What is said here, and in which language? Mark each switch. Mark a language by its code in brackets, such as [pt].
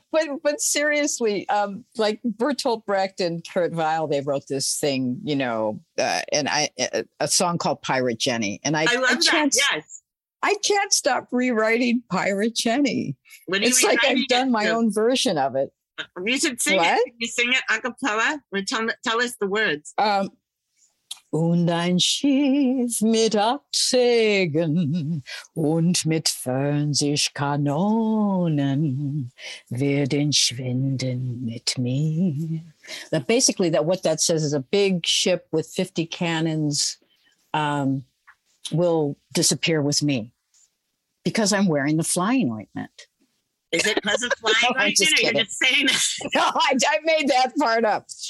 [en] No, but seriously, like Bertolt Brecht and Kurt Vile, they wrote this thing, you know, a song called Pirate Jenny, and I love that. Yes. I can't stop rewriting Pirate Jenny. It's like I've done my own version of it. You should sing what? It. Can you sing it a cappella? Tell us the words. [de] Und ein Schiff mit Absegen und mit 40 Kanonen wird entschwinden mit mir. [en] That basically, that what that says is a big ship with 50 cannons will disappear with me. Because I'm wearing the flying ointment. Is it because of flying no, ointment? Just kidding. Or you're just saying that? No, I made that part up.